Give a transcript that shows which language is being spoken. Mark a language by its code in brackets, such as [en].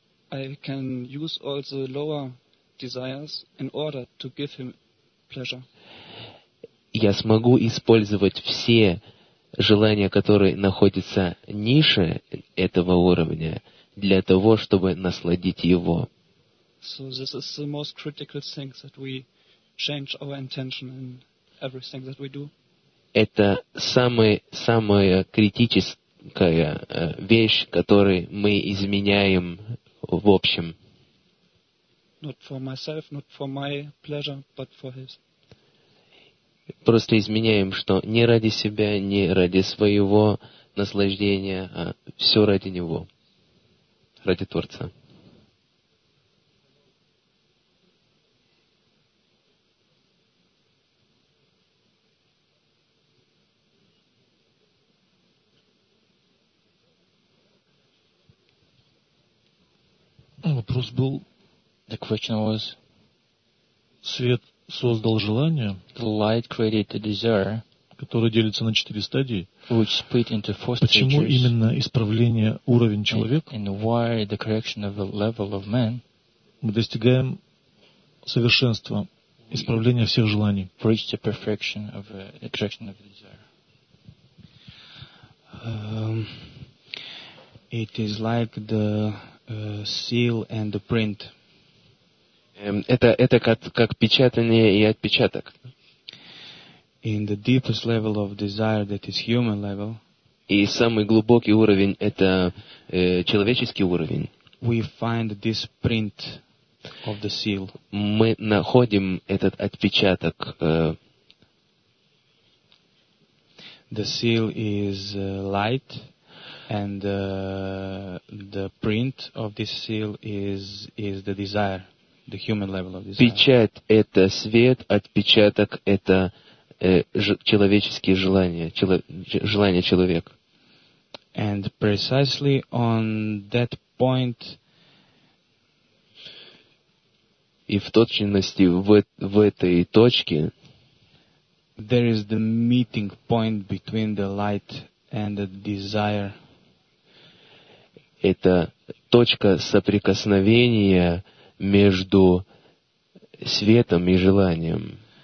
[en] I can use all the lower desires in order to give him pleasure. [ru] Я смогу использовать все желания, которые находятся ниже этого уровня, для того, чтобы насладить его. [en] So this is the most critical thing that we change our intention in everything that we do. [ru] Это самая критическая вещь, которую мы изменяем в общем. [en] Not for myself, not for my pleasure, but for his. [ru] Просто изменяем, что не ради себя, не ради своего наслаждения, а все ради него, ради Творца. Вопрос был. [en] The question was. [ru] Свет создал желание. [en] The light created a desire. [ru] Которое делится на четыре стадии. [en] Which split into four stages. [ru] Почему именно исправление уровень человека? [en] And why the correction of the level of man? [ru] Мы достигаем совершенства исправления всех желаний. [en] We reach the perfection of the correction of the desire. It is like the seal and the print. [ru] Это как печатание и отпечаток. [en] In the deepest level of desire, that is human level. [ru] И самый глубокий уровень это человеческий уровень. [en] We find this print of the seal. [ru] Мы находим этот отпечаток. [en] The seal is light. And the print of this seal is the desire, the human level of desire. [ru] Печать – это свет, отпечаток – это человеческие желания, желания человека. [en] And precisely on that point. [ru] И в точности в этой точке. [en] There is the meeting point between the light and the desire. [ru] Это точка соприкосновения между светом и желанием.